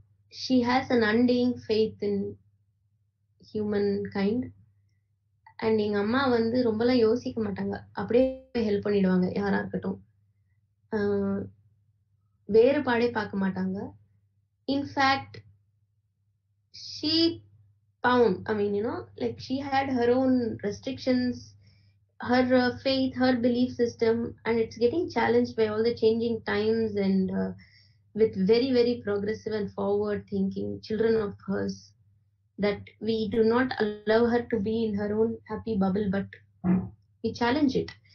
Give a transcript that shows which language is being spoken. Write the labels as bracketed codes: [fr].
[en] She has an undying faith in humankind. [ta] And எங்க அம்மா வந்து ரொம்பலாம் யோசிக்க மாட்டாங்க, அப்படியே ஹெல்ப் பண்ணிடுவாங்க யாரா இருக்கட்டும். வேறுபாடே பார்க்க மாட்டாங்க. [en] In fact she bound, I mean you know like she had her own restrictions, her faith, her belief system, and it's getting challenged by all the changing times and with very, very progressive and forward thinking children of hers, that we do not allow her to be in her own happy bubble, but we challenge it.